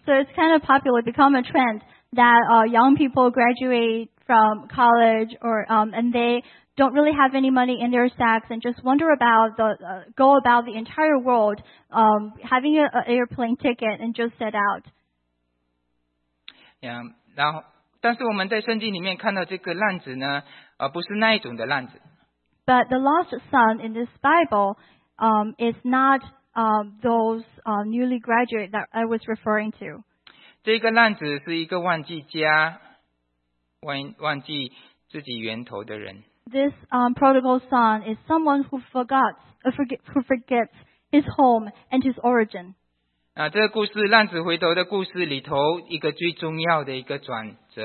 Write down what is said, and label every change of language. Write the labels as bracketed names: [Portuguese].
[English] So it's kind of popular, become a trend that young people graduate from college, or and they don't really have any money in their sacks and just wonder about the go about the entire world, having an airplane ticket and just set out. [Chinese] Yeah, 然后。但是我们在圣经里面看到这个浪子呢，不是那一种的浪子。 [English] But the lost son in this Bible, is not those newly graduate that I was referring to. [Chinese] 这个浪子是一个忘记家、忘记自己源头的人。 [English] This prodigal son is someone who forgets his home and his origin. [Chinese] 这个故事浪子回头的故事里头，一个最重要的一个转。